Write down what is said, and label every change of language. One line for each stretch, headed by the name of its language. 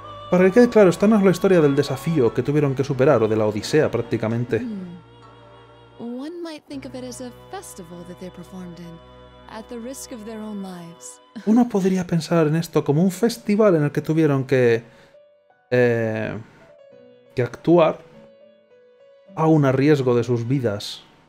Spanish: Para que quede claro, esta no es la historia del desafío que tuvieron que superar, o de la odisea, prácticamente.
English: One might think of it as a festival that they performed in, at the risk of their own lives.
Spanish: Uno podría pensar en esto como un festival en el que tuvieron que actuar aun a riesgo de sus vidas.